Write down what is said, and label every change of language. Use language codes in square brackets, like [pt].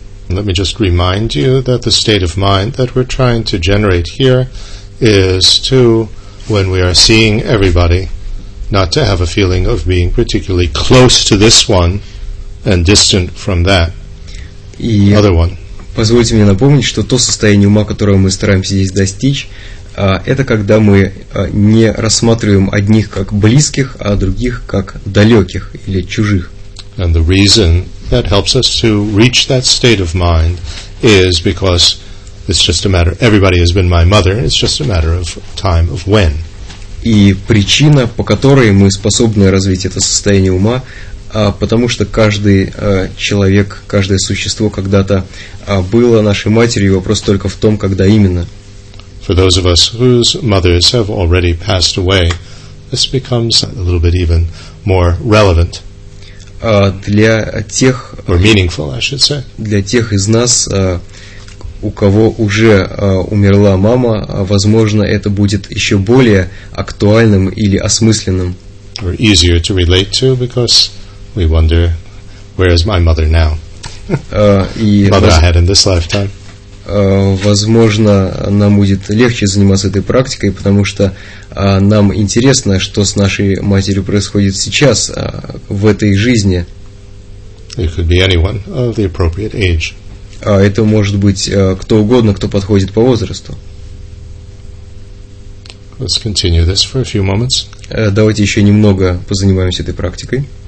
[en] let me just remind you that the state of mind that we're trying to generate here is to, when we are seeing everybody, not to have a feeling of being particularly close to this one and distant from that other one. [ru] Позвольте мне напомнить, что то состояние ума, которое мы стараемся здесь достичь, это когда мы не рассматриваем одних как близких, а других как далеких или чужих. [en] And the reason that helps us to reach that state of mind is because it's just a matter, everybody has been my mother, it's just a matter of time, of when. [ru] И причина, по которой мы способны развить это состояние ума, потому что каждый человек, каждое существо когда-то было нашей матерью, вопрос только в том, когда именно. [en] For those of us whose mothers have already passed away, this becomes a little bit even more relevant. [ru] Для тех, [en] or meaningful, I should say. [ru] Для тех из нас, у кого уже умерла мама, возможно, это будет еще более актуальным или осмысленным. [en] Or easier to relate to, because we wonder, where is my mother now? mother I had in this lifetime. [ru] Возможно, нам будет легче заниматься этой практикой, потому что нам интересно, что с нашей матерью происходит сейчас, в этой жизни. [en] It could be anyone of the appropriate age. [ru] Это может быть кто угодно, кто подходит по возрасту. [en] Let's continue this for a few moments. [ru] Давайте еще немного позанимаемся этой практикой.